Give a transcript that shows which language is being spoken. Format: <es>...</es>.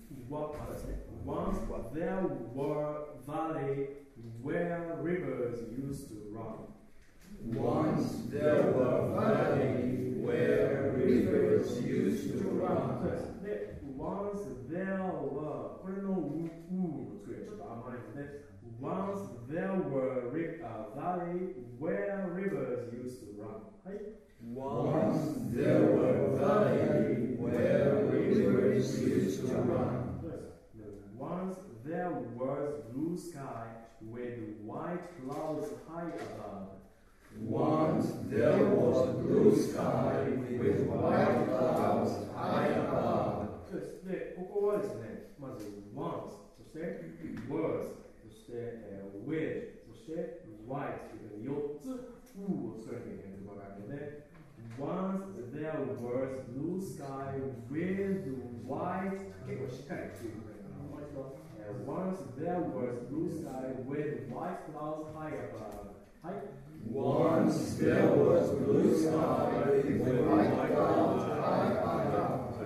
<en>Once there were valley where rivers used to run. Once there were valley where rivers used to run. Once there were,</en> <ja>これのうの作りはちょっと甘いですね。</ja> <en>Once there were a valley where rivers used to run.</en> <ja>はい。</ja> <en>Once there were a valley where rivers used to run. Once there was blue sky with white clouds high above. Once there was blue sky with white clouds high above.</en> <ja>で、ここはですね、まず once、そして words、そして with、そして white というふうに4つ、を作らなきゃいけないわけですね。</ja> <en>Once there was blue sky with white、</en> <ja>結構しっかり聞いてくれるかな。</ja> <en>Once there was blue sky with white clouds high above.</en> <ja>はい。</ja> <en>Once there was blue sky with white clouds high above.</en>